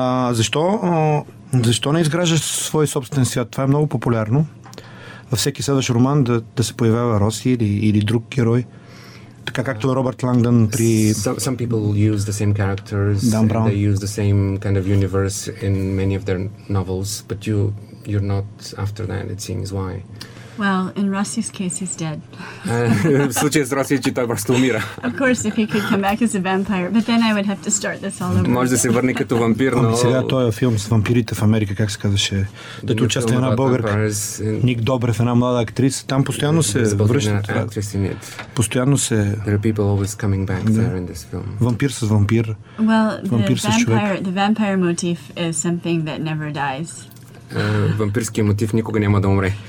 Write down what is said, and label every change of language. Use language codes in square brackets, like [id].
[bg] Защо не изграждаш свой собствен свят? Това е много популярно. Във всеки следващ роман да се появява Роси или друг герой. Така както Робърт Лангдън при... [en] Some people use the same characters. Dan Brown. They use the same kind of universe in many of their novels. But you're not after that, it seems. Why? Well, in Rossi's case, he's dead. [bg] В случая с Роси, че той просто умира. [en] Of course, if he could come back as a vampire. But then I would have to start this all over again. [bg] Може да се върне като вампир, но... Сега той е филм с вампирите в Америка, как се казваше. Дето участва една българка. Ник Добрев, една млада актриса. Там постоянно се връщат. Постоянно се... [en] There are people always coming back there in this film. [bg] Вампир с вампир. [en] Well, the vampire motif is something that never dies. [bg] Вампирският мотив никога няма да умре.